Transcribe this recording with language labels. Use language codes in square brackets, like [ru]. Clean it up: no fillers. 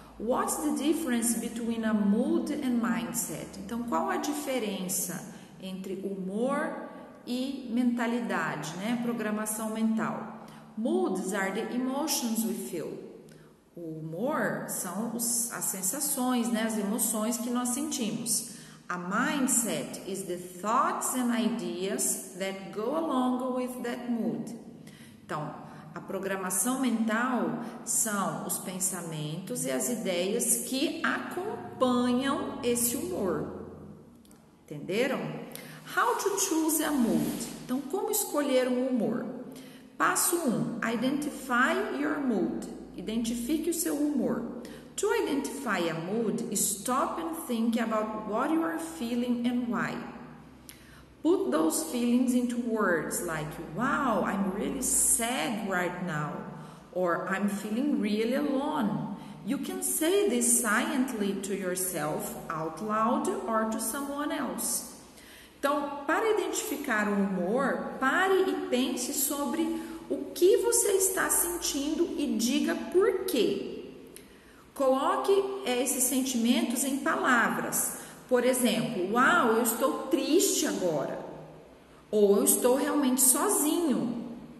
[en] What's the difference between a mood and mindset? [pt] Então, qual a diferença entre humor e mentalidade, né? Programação mental. [en] Moods are the emotions we feel. [pt] O humor são as sensações, né? As emoções que nós sentimos. [en] A mindset is the thoughts and ideas that go along with that mood. [pt] Então, a programação mental são os pensamentos e as ideias que acompanham esse humor. Entenderam? [en] How to choose a mood? [pt] Então, como escolher um humor? Passo 1: [en] Identify your mood. [pt] Identifique o seu humor. [en] To identify a mood, stop and think about what you are feeling and why. Put those feelings into words like, wow, I'm really sad right now, or I'm feeling really alone. You can say this silently to yourself out loud or to someone else. [pt] Então, para identificar o humor, pare e pense sobre o que você está sentindo e diga por quê. Coloque esses sentimentos em palavras. Por exemplo, uau, eu estou triste agora. Ou eu estou realmente sozinho.